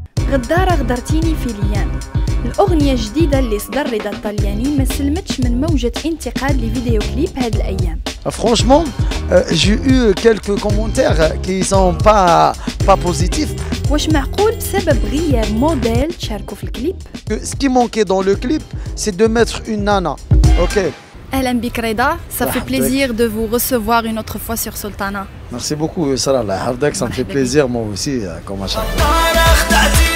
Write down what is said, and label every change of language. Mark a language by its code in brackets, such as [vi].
[ar] غدارة غدرتيني في ليان، الأغنية الجديدة اللي صدر لدى الطليانين ما سلمتش من موجة انتقاد لفيديو كليب هاد الأيام. [fr] Franchement, j'ai eu quelques commentaires qui sont pas positifs. [ar] واش معقول بسبب غياب موديل شاركوا في الكليب؟ [fr] Ce qui manquait dans le clip, c'est de mettre une nana. OK. [ar] اهلا بك رضا، [fr] ça fait plaisir de vous recevoir une autre fois sur Sultana. Merci beaucoup يسرا [ar] الله يحفظك، [fr] ça me fait plaisir moi aussi comme à chaque fois.